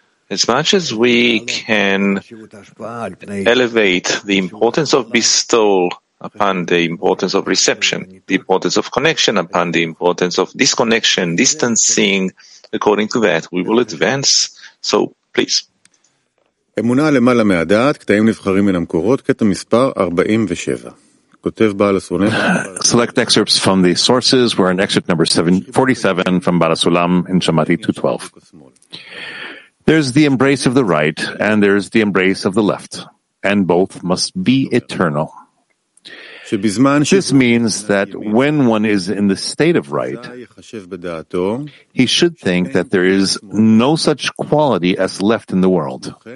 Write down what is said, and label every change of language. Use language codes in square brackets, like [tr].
[en] As much as we can elevate the importance of bestowal upon the importance of reception, the importance of connection upon the importance of disconnection, distancing, according to that, we will advance. So, please. [he] אמונה למעלה מהדעת, קטעים נבחרים מן המקורות, קטע מספר 47. [en] Select excerpts from the sources. We're in excerpt number 47 from Bala Sulam in Shamati 212. There's the embrace of the right and there's the embrace of the left, and both must be eternal. This means that when one is in the state of right, he should think that there is no such quality as left in the world.